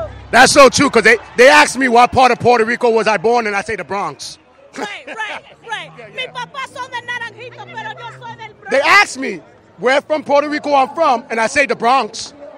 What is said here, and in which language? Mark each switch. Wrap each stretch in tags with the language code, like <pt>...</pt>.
<en>That's so true, because they asked me what part of Puerto Rico was I born, and I say the Bronx. Right. Yeah, yeah.</en> <es>Mi papá son del Naranjito, pero yo soy del Bronx.</es> <en>They asked me where from Puerto Rico I'm from, and I say the Bronx.</en>